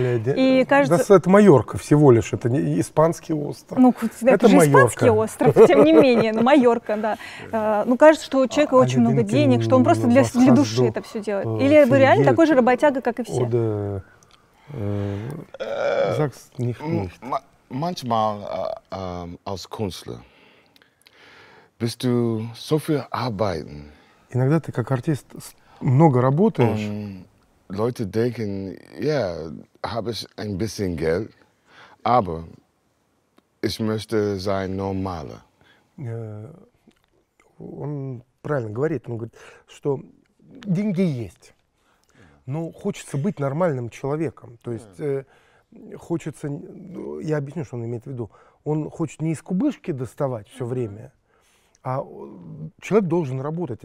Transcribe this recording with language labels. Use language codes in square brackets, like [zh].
[ru] Это Майорка всего лишь, это не испанский остров. Ну, это же испанский остров, тем не менее, Майорка, да. Ну, кажется, что у человека очень много денег, что он просто для души это все делает. Или вы реально такой же работяга, как и все? [de] Sag's nicht. Manchmal als Künstler bist du so viel arbeiten. [ru] Иногда ты как артист много работаешь. [de] Leute denken, ja, habe ich ein bisschen Geld, aber ich möchte sein normaler. [ru] Он правильно говорит, он говорит, что деньги есть, но хочется быть нормальным человеком. То есть хочется, я объясню, что он имеет в виду. Он хочет не из кубышки доставать все время, а человек должен работать.